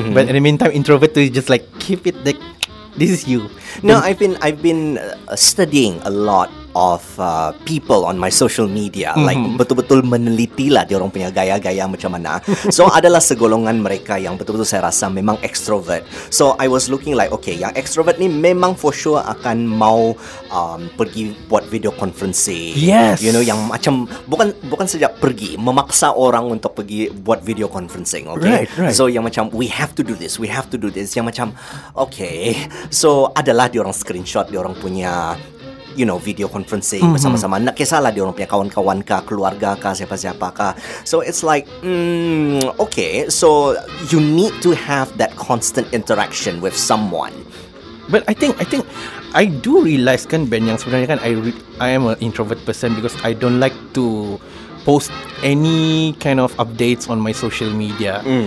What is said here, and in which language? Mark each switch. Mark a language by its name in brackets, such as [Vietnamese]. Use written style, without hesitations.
[English] But in the meantime, introvert tu just like keep it like this is you. No, I've been studying a lot of people on my social media. Like [Malay] betul-betul meneliti lah dia orang punya gaya-gaya macam mana. So adalah segolongan mereka yang betul-betul saya rasa memang extrovert. [English] So I was looking like okay, [Malay] yang extrovert ni memang [English] for sure [Malay] akan mau pergi buat [English] video conferencing. Yes. You know, [Malay] yang macam bukan sejak pergi memaksa orang untuk pergi buat video conferencing. Okay. [English] Right. So [Malay] yang macam [English] we have to do this. [Malay] Yang macam [English] okay. [Malay] So adalah dia orang screenshot dia orang punya, [English] you know, [Malay] video conferencing bersama-sama. Nak kisahlah dia orang punya kawan-kawan kah, keluarga kah, siapa-siapa kah. [English] So it's like okay, so you need to have that constant interaction with someone. But I think I do realize [Malay] kan [English] Ben, [Malay] yang sebenarnya kan [English] I am an introvert person because I don't like to post any kind of updates on my social media.